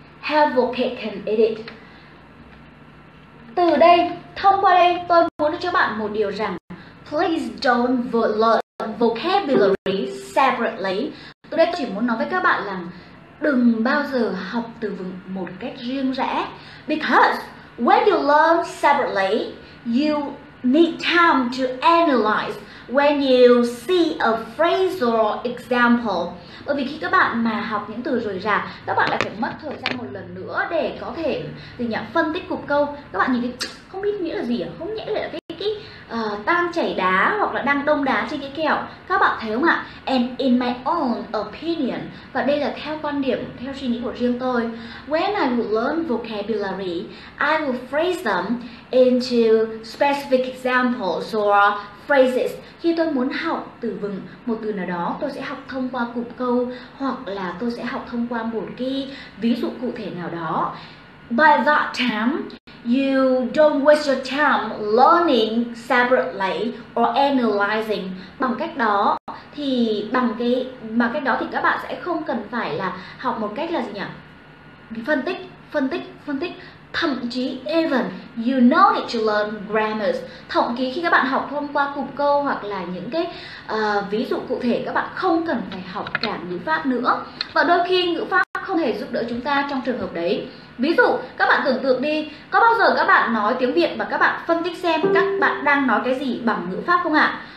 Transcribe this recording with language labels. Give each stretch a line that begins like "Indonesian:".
English: Have a cake and eat it.
Vietnamese: Từ đây, thông qua đây, tôi muốn cho bạn một điều rằng
English: please don't learn vocabulary separately.
Vietnamese: Tôi đây chỉ muốn nói với các bạn là đừng bao giờ học từ vựng một cách riêng rẽ.
English: Because when you learn separately, you need time to analyze when you see a phrase or example.
Vietnamese: Bởi vì khi các bạn mà học những từ rời rạc, các bạn lại phải mất thời gian một lần nữa để có thể từ nhà phân tích cụm câu. Các bạn nhìn thấy không biết nghĩa là gì, không nhẽ là cái tan chảy đá hoặc là đang đông đá trên cái kẹo. Các bạn thấy không ạ?
English: And in my own opinion,
Vietnamese: và đây là theo quan điểm, theo suy nghĩ của riêng tôi,
English: when I will learn vocabulary, I will phrase them into specific examples or phrases.
Vietnamese: Khi tôi muốn học từ vựng một từ nào đó, tôi sẽ học thông qua cụm câu hoặc là tôi sẽ học thông qua một cái ví dụ cụ thể nào đó.
English: By that time, you don't waste your time learning separately or analyzing.
Vietnamese: Bằng cách đó thì các bạn sẽ không cần phải là học một cách là gì nhỉ? Phân tích. Thậm chí
English: even you know it to learn grammars.
Vietnamese: Thậm chí khi các bạn học thông qua cụm câu hoặc là những cái ví dụ cụ thể, các bạn không cần phải học cả ngữ pháp nữa. Và đôi khi ngữ pháp không hề giúp đỡ chúng ta trong trường hợp đấy. Ví dụ các bạn tưởng tượng đi, có bao giờ các bạn nói tiếng Việt và các bạn phân tích xem các bạn đang nói cái gì bằng ngữ pháp không ạ?